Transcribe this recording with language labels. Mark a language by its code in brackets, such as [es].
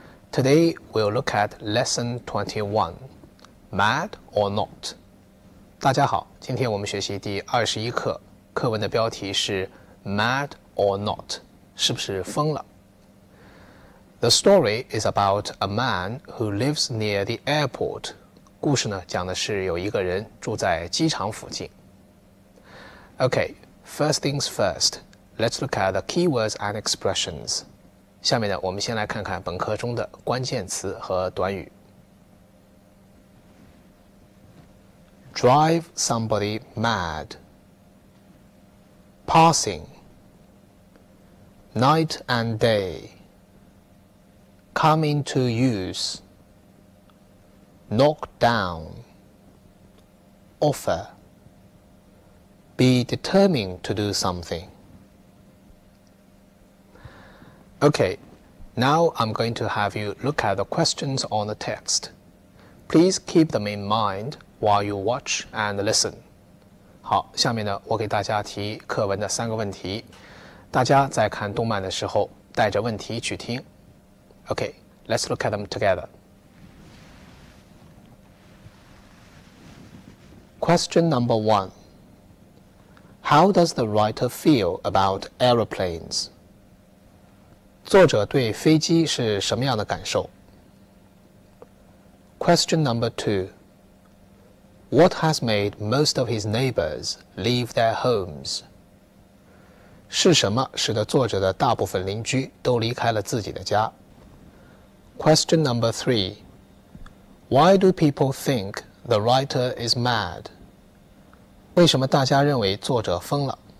[en] Today we'll look at lesson 21, Mad or Not. [zh] 大家好，今天我们学习第21课，课文的标题是 Mad or Not, 是不是疯了？ [en] The story is about a man who lives near the airport. [zh] 故事呢，讲的是有一个人住在机场附近。 [en] Okay, first things first. Let's look at the keywords and expressions. [zh] 下面呢，我们先来看看本课中的关键词和短语。 [en] Drive somebody mad. Passing. Night and day. Come into use. Knock down. Offer. Be determined to do something. Okay, now I'm going to have you look at the questions on the text. Please keep them in mind while you watch and listen. [zh] 好，下面呢，我给大家提课文的三个问题。大家在看动漫的时候，带着问题去听。 [en] Okay, let's look at them together. Question number one. How does the writer feel about aeroplanes? [zh] 作者对飞机是什么样的感受 [en] ?Question number two. What has made most of his neighbors leave their homes? [zh] 是什么使得作者的大部分邻居都离开了自己的家 [en] ?Question number three. Why do people think the writer is mad? [zh] 为什么大家认为作者疯了